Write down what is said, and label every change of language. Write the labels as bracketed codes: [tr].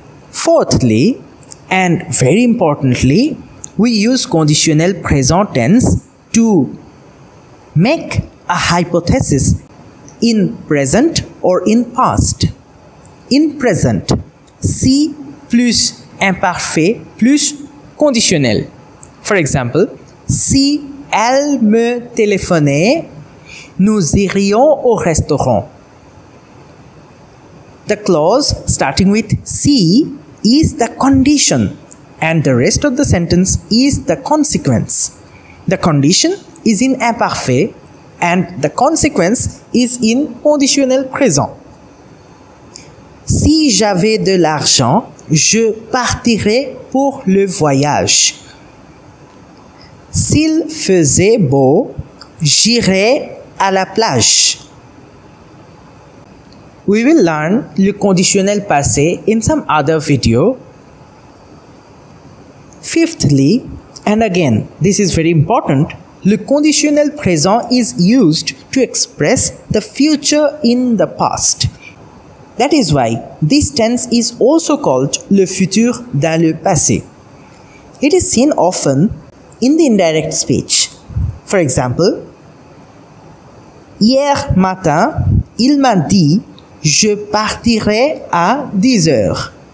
[en] Fourthly, and very importantly, we use conditionnel present tense to make a hypothesis in present or in past. In present, si plus imparfait, plus conditionnel. For example, [fr] si elle me téléphonait, nous irions au restaurant. [en] The clause starting with si is the condition and the rest of the sentence is the consequence. The condition is in imparfait and the consequence is in conditionnel présent. [fr] Si j'avais de l'argent, je partirai pour le voyage. S'il faisait beau, j'irai à la plage. [en] We will learn le conditionnel passé in some other video. Fifthly, and again, this is very important, le conditionnel présent is used to express the future in the past. That is why this tense is also called le futur dans le passé. It is seen often in the indirect speech. For example, [fr] hier matin, il m'a dit, je partirai à 10 heures.